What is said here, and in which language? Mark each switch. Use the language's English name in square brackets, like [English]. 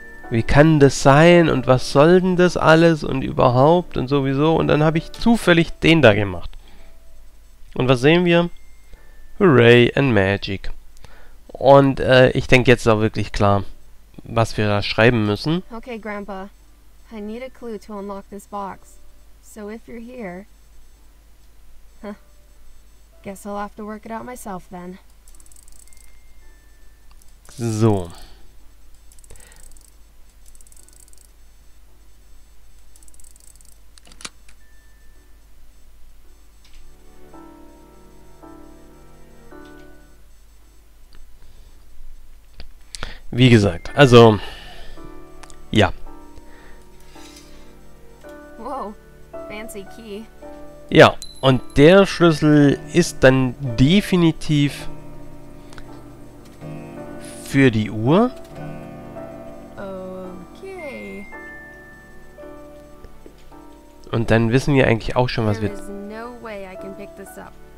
[German] Wie kann das sein? Und was soll denn das alles? Und überhaupt? Und sowieso? Und dann habe ich zufällig den da gemacht. Und was sehen wir? [English] Hooray and Magic. [German] Und ich denke, jetzt ist auch wirklich klar, was wir da schreiben müssen. [English] Okay, Grandpa. I need a clue to unlock this box. So if you're here... Guess I'll have to work it out myself then. [German] So. Wie gesagt, also ja. [English] Wow, fancy key. [German] Ja, und der Schlüssel ist dann definitiv für die Uhr. Okay. Und dann wissen wir eigentlich auch schon, was wir. [English] There is no way I can pick this up.